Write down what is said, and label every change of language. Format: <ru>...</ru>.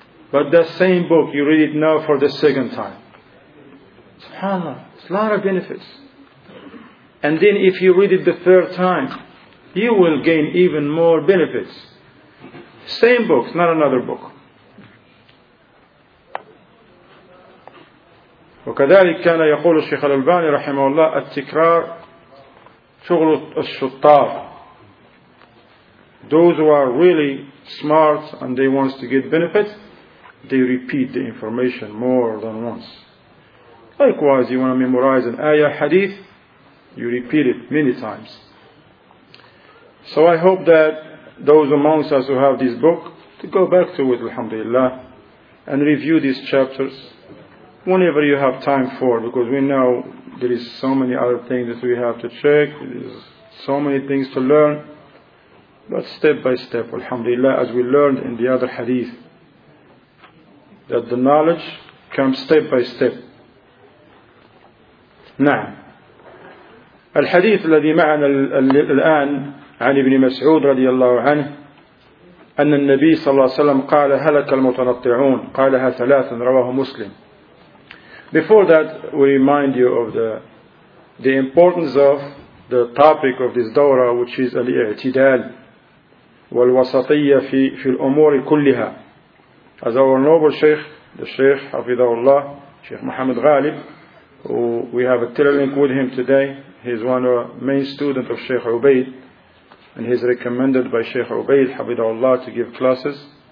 <en>But that same book, you read it now for the second time, subhanAllah, it's a lot of benefits. And then if you read it the third time, you will gain even more benefits. Same book, not another book.</en> <ar>وكذلك كان يقول الشيخ الألباني رحمه الله التكرار شغل الشطار.</ar> <en>Those who are really smart and they want to get benefits, they repeat the information more than once. Likewise, you want to memorize an ayah hadith, you repeat it many times. So I hope that those amongst us who have this book, to go back to it, alhamdulillah, and review these chapters whenever you have time for, because we know there is so many other things that we have to check, there is so many things to learn, but step by step, alhamdulillah, as we learned in the other hadith, that the knowledge comes step by step.</en> <ar>نعم. الحديث الذي معنا الآن عن ابن مسعود رضي الله عنه أن النبي صلى الله عليه وسلم قال هلك المتنطعون، قالها ثلاثا، رواه مسلم.</ar> <en>Before that, we remind you of the importance of the topic of this dawra, which is</en> <ar>al-i'tidal wal-wasatiyya fi al-umuri kulliha.</ar> <en>As our noble Shaykh, the Shaykh Hafidhahullah, Shaykh Muhammad Ghalib, who we have a telelink with him today, he's one of the main students of Shaykh Ubaid, and he's recommended by Shaykh Ubaid Hafidhahullah to give classes.</en>